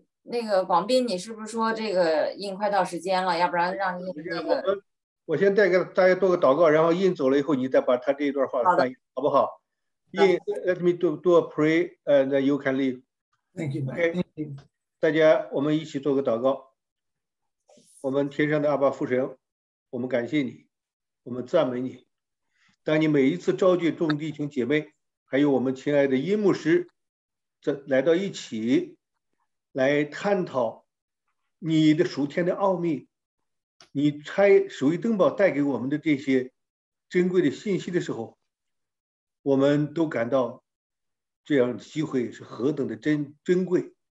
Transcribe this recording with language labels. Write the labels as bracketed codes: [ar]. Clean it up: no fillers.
[zh] 那个广斌，你是不是说这个印快到时间了？要不然让印那个。我先带给大家做个祷告，然后印走了以后，你再把他这一段话翻译，好不好？ [en] Yeah, let me do a prayer and then you can leave. Thank you. Okay. Thank you. [zh] 大家，我们一起做个祷告。我们天上的阿爸父神，我们感谢你，我们赞美你。当你每一次召聚众弟兄姐妹，还有我们亲爱的殷牧师，来到一起，来探讨你的属天的奥秘，你拆属于登堡带给我们的这些珍贵的信息的时候，我们都感到这样的机会是何等的珍贵。